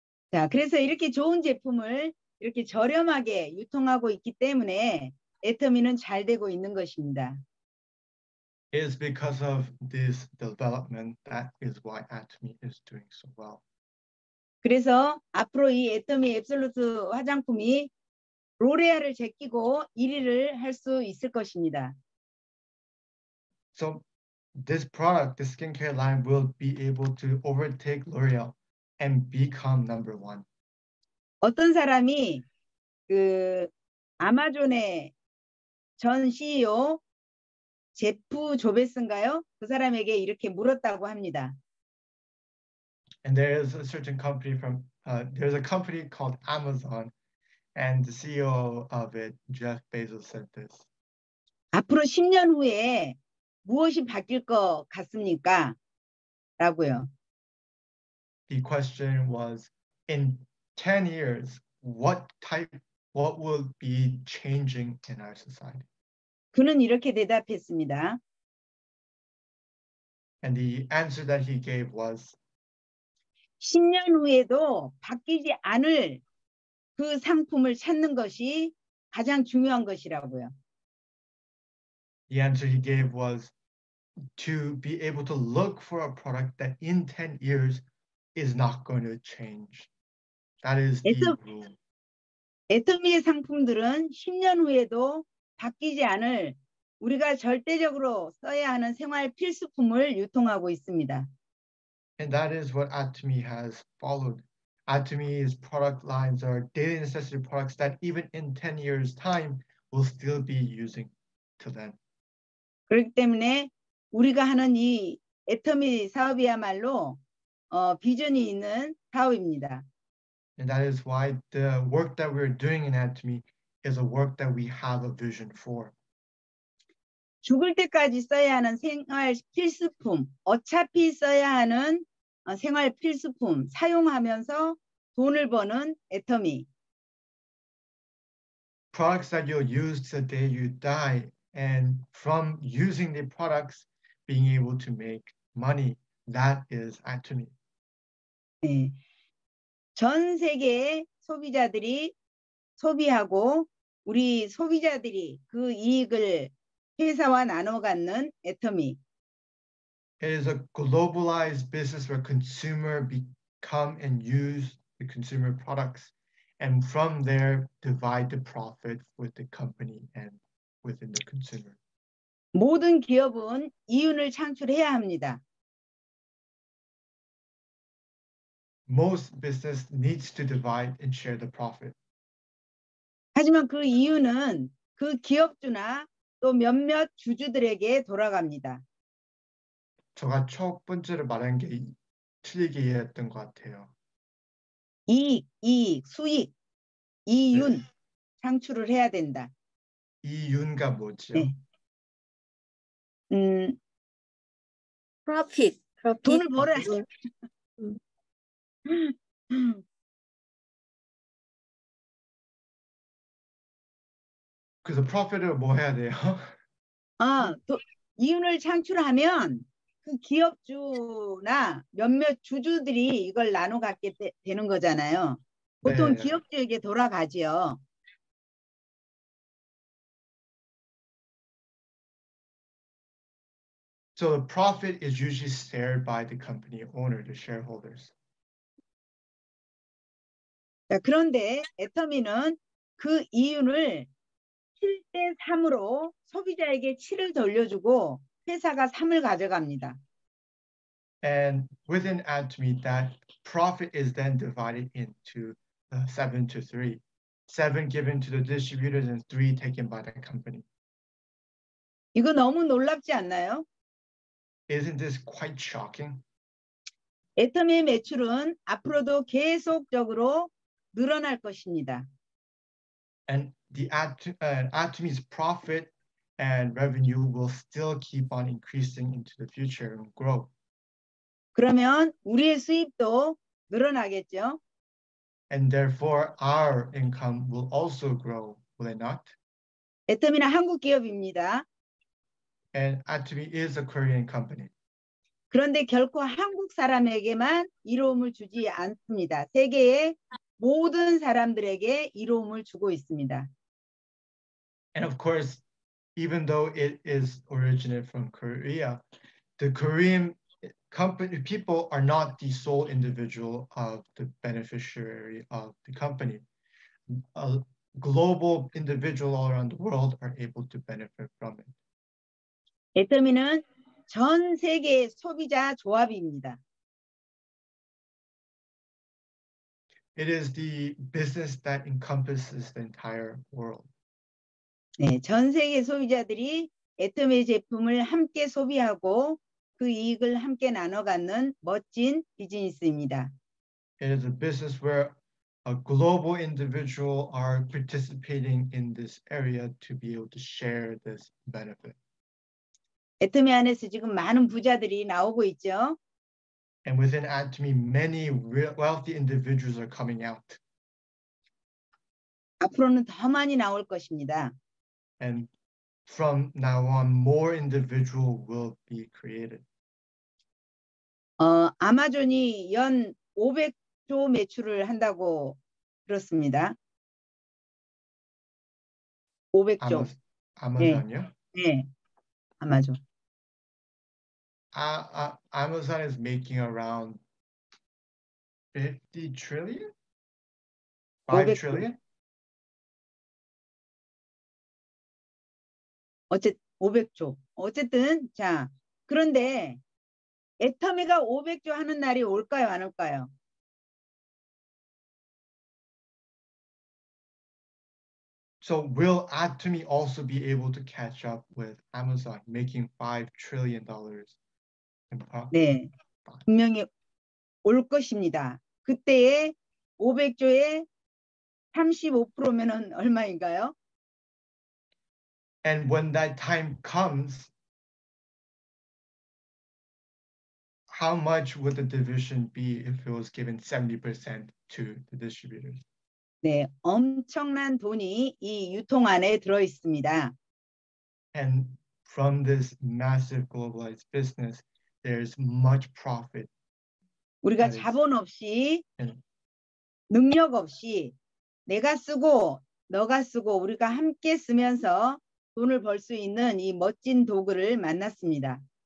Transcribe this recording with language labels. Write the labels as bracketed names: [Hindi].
[Korean] 자, 그래서 이렇게 좋은 제품을 이렇게 저렴하게 유통하고 있기 때문에 애터미는 잘 되고 있는 것입니다. [English] It's because of this development that is why Atomy is doing so well. [Korean] 그래서 앞으로 이 애터미 앱솔루트 화장품이 로레아를 제끼고 1위를 할 수 있을 것입니다. [English] So this product, the skincare line, will be able to overtake L'Oreal and become number one. [Korean] 어떤 사람이 그 아마존의 전 CEO 제프 조베스인가요? 그 사람에게 이렇게 물었다고 합니다. [English] And there is a certain company from there's a company called Amazon, and the CEO of it, Jeff Bezos, said this. [Korean] 앞으로 10년 후에 무엇이 바뀔 것 같습니까? 라고요. [English] The question was, in 10 years, what will be changing in our society? [Korean] 그는 이렇게 대답했습니다. [English] And the answer that he gave was, [Korean] 10년 후에도 바뀌지 않을 그 상품을 찾는 것이 가장 중요한 것이라고요. [English] The answer he gave was, to be able to look for a product that in 10 years is not going to change. That is the rule. [Korean] 애터미의 상품들은 10년 후에도 바뀌지 않을 우리가 절대적으로 써야 하는 생활 필수품을 유통하고 있습니다. [English] And that is what Atomy has followed. Atomy's product lines are daily necessity products that even in 10 years time will still be using till then. [Korean] 그렇기 때문에 우리가 하는 이 애터미 사업이야말로 비전이 있는 사업입니다. [English] And that is why the work that we're doing in Atomy is a work that we have a vision for. [Korean] 죽을 때까지 써야 하는 생활 필수품, 어차피 써야 하는 생활 필수품 사용하면서 돈을 버는 애터미. [English] Products that you'll use the day you die, and from using the products, being able to make money, that is Atomy. [Korean] 네. 전 세계의 소비자들이 소비하고 우리 소비자들이 그 이익을 회사와 나눠 갖는 애터미. [English] It is a globalized business where consumers become and use the consumer products, and from there divide the profit with the company and within the consumer. [Korean] 모든 기업은 이윤을 창출해야 합니다. [English] Most business needs to divide and share the profit. [Korean] 하지만 그 이윤은 그 기업주나 또 몇몇 주주들에게 돌아갑니다. 제가 첫 번째로 말한 게 틀리게 이해했던 것 같아요. 이익, 수익, 이윤 네. 창출을 해야 된다. 이윤가 뭐죠? 네. [English] Profit. [Korean] 돈을 벌어야 돼. 그래서 profit을 뭐 해야 돼요? 아, 또 이윤을 창출하면 그 기업주나 몇몇 주주들이 이걸 나눠 갖게 되는 거잖아요. 보통 네. 기업주에게 돌아가지요. 그래서 [English] so the profit is usually shared by the company owner, the shareholders. [Korean] 자, 그런데 애터미는 그 이윤을 7대 3으로 소비자에게 7을 돌려주고 회사가 3을 가져갑니다. [English] And within Atomy, that profit is then divided into 7 to 3. 7 given to the distributors and 3 taken by the company. [Korean] 이거 너무 놀랍지 않나요? [English] Isn't this quite shocking? [Korean] 애터미의 매출은 앞으로도 계속적으로 늘어날 것입니다. [English] And the Atomy's profit and revenue will still keep on increasing into the future and grow. [Korean] 그러면 우리의 수입도 늘어나겠죠? [English] And therefore our income will also grow, will it not? [Korean] 애터미는 한국 기업입니다. [English] And Atomy is a Korean company. [Korean] 그런데 결코 한국 사람에게만 이로움을 주지 않습니다. 세계에 모든 사람들에게 이로움을 주고 있습니다. [English] And of course, even though it is originated from Korea, the Korean company people are not the sole individual of the beneficiary of the company. A global individual all around the world are able to benefit from it. [Korean] 애터미는 전 세계 소비자 조합입니다. [English] It is the business that encompasses the entire world. [Korean] 네, 전 세계 소비자들이 애터미 제품을 함께 소비하고 그 이익을 함께 나눠 갖는 멋진 비즈니스입니다. [English] It is a business where a global individual are participating in this area to be able to share this benefit. [Korean] 애터미 안에서 지금 많은 부자들이 나오고 있죠. [English] And within Atomy, many wealthy individuals are coming out. [Korean] 앞으로는 더 많이 나올 것입니다. [English] And from now on, more individuals will be created. [Korean] 아마존이 연 500조 매출을 한다고 들었습니다. 500조. 아마존이요? 네. 네. 아마존. [English] Amazon is making around 50 trillion? 5 trillion? [Korean] 500조. 어쨌든 자, 그런데 애터미가 500조 하는 날이 올까요, 안 올까요? [English] So will Atomy also be able to catch up with Amazon making $5 trillion? [Korean] 네, 분명히 올 것입니다. 그때에 500조에 35%면은 얼마인가요? [English] And when that time comes, how much would the division be if it was given 70% to the distributors? [Korean] 네, 엄청난 돈이 이 유통 안에 들어 있습니다. [English] And from this massive globalized business, there's much profit. [Korean] 우리가 자본 없이 능력 없이 내가 쓰고 너가 쓰고 우리가 함께 쓰면서 돈을 벌 수 있는 이 멋진 도구를 만났습니다.